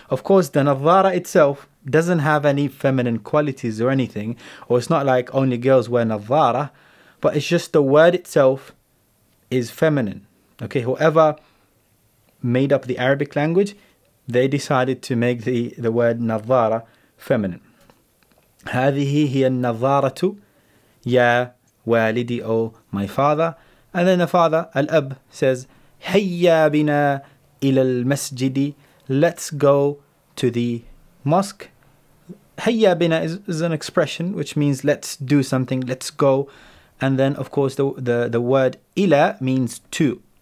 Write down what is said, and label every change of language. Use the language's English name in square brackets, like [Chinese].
[English] Of course, the nazara itself doesn't have any feminine qualities or anything, or it's not like only girls wear nazara. But it's just the word itself is feminine. Okay, whoever made up the Arabic language, they decided to make the word nazara feminine. [Arabic] هذه هي النظارة يا والدي, [English] O my father. And then the father, Al-Ab, says, [Arabic] هيا بنا إلى المسجد. [English] Let's go to the mosque. [Arabic] هيا بنا [English] is an expression which means let's do something, let's go. And then, of course, the word ila means to.